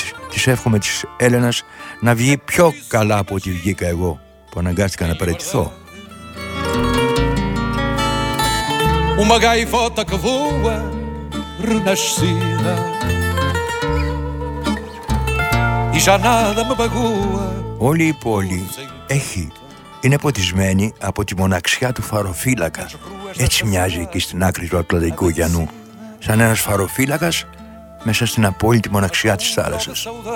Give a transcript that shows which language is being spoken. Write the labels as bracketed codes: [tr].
[el] Τις εύχομαι της Έλενας να βγει πιο καλά από ό,τι βγήκα εγώ, που αναγκάστηκα να παραιτηθώ. [pt] Uma gaivota que voa renascida e já nada me magoa. [el] Όλη η πόλη έχει, είναι ποτισμένη από τη μοναξιά του φαροφύλακα. Έτσι μοιάζει εκεί στην άκρη του Ατλαντικού ωκεανού. Σαν ένας φαροφύλακας μέσα στην απόλυτη μοναξιά της θάλασσας.